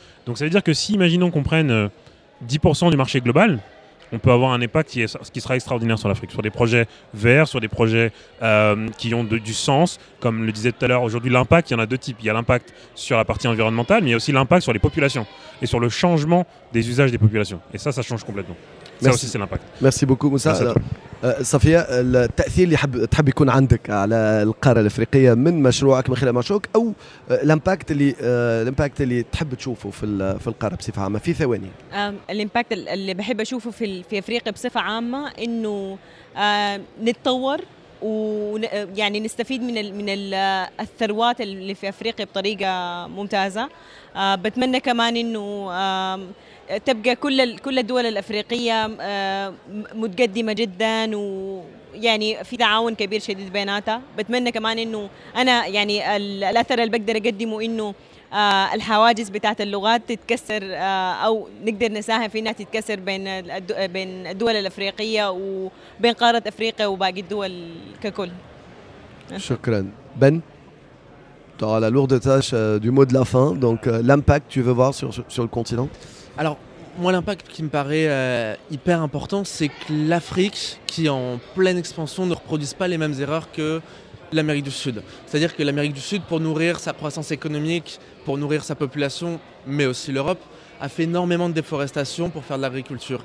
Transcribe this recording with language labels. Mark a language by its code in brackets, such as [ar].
[fr] Donc, ça veut dire que si, imaginons qu'on prenne... 10% du marché global, on peut avoir un impact qui sera extraordinaire sur l'Afrique, sur des projets verts, sur des projets qui ont du sens. Comme le disait tout à l'heure, aujourd'hui, l'impact, il y en a deux types. Il y a l'impact sur la partie environnementale, mais il y a aussi l'impact sur les populations et sur le changement des usages des populations. Et ça, ça change complètement. Ça merci. Aussi, c'est l'impact. Merci beaucoup, Moussa. Merci. [ar] صفية التأثير اللي تحب يكون عندك على القارة الأفريقية من مشروعك من خلال مشروعك أو الامباكت اللي تحب تشوفه في القارة بصفة عامة في ثواني الامباكت اللي بحب أشوفه في أفريقيا بصفة عامة إنه نتطور ويعني نستفيد من الثروات اللي في أفريقيا بطريقة ممتازة بتمنى كمان إنه تبقى كل الدول الأفريقية متقدمة جدا ويعني في تعاون كبير شديد بيناتها بتمنى كمان إنه أنا يعني الأثر اللي بقدر أقدمه إنه الحواجز بتاعت اللغات تتكسر أو نقدر نساهم في إنها تتكسر بين الدول الأفريقية وبين قارة أفريقيا وباقي الدول ككل [fr] شكرا بن تو على لوردة تاش دو مود لا فان دونك لامباكت tu veux voir sur le continent alors moi, l'impact qui me paraît hyper important, c'est que l'Afrique, qui est en pleine expansion, ne reproduise pas les mêmes erreurs que l'Amérique du Sud. C'est-à-dire que l'Amérique du Sud, pour nourrir sa croissance économique, pour nourrir sa population, mais aussi l'Europe, a fait énormément de déforestation pour faire de l'agriculture.